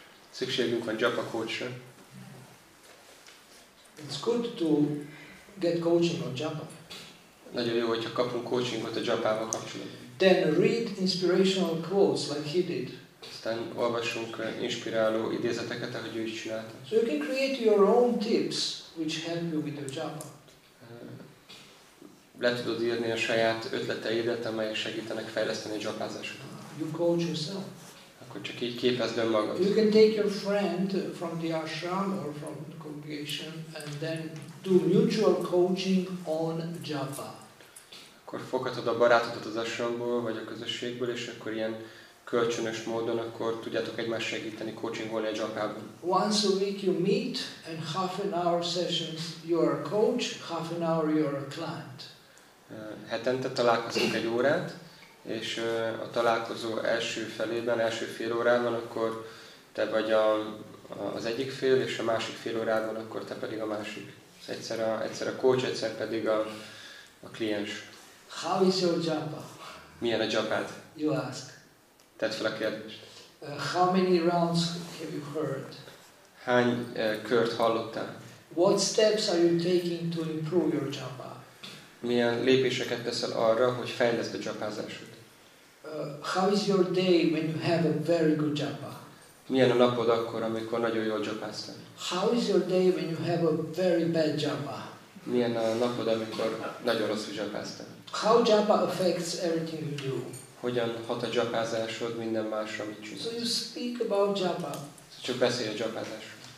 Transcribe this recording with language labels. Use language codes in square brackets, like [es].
[hu] Szükségünk van japa coachra. [en] It's good to get coaching on japa. [hu] Nagyon jó, hogyha kapunk coachingot a japával kapcsolatban. [en] Then read inspirational quotes like he did. [hu] Aztán olvassunk inspiráló idézeteket, ahogy ő is csinálta. [en] So you can create your own tips which help you with your japa. [hu] Le tudod írni a saját ötleteidet, amelyek segítenek fejleszteni a japázásodat. [en] You coach yourself. [hu] Akkor csak így képezd önmagad. [en] You can take your friend from the ashram or from the congregation and then do mutual coaching on japa. [hu] Akkor foghatod a barátodat az ashramból vagy a közösségből, és akkor ilyen kölcsönös módon akkor tudjátok egymást segíteni coachingolni a japában. [en] Once a week you meet and half an hour sessions you are a coach, half an hour you are a client. [hu] Hetente találkozunk egy órát, és a találkozó első felében, első fél órában, akkor te vagy az egyik fél, és a másik fél órában, akkor te pedig a másik. Egyszer a coach, egyszer pedig a kliens. [en] How is your japa? [hu] Milyen a japád? [en] You ask. [hu] Tedd fel a kérdést. [en] How many rounds have you heard? [hu] Hány kört hallottál? [en] What steps are you taking to improve your japa? [hu] Milyen lépéseket teszel arra, hogy fejleszd a japázásod? [en] How is your day when you have a very good japa? [hu] Milyen a napod akkor, amikor nagyon jól japáztál? [en] How is your day when you have a very bad japa? [hu] Milyen a napod, amikor nagyon rosszul japáztál? [en] How japa affects everything you do? [hu] Hogyan hat a japázásod minden másra, amit csinálsz? [en] So you speak about japa. [hu] Csak beszélj a japázásról.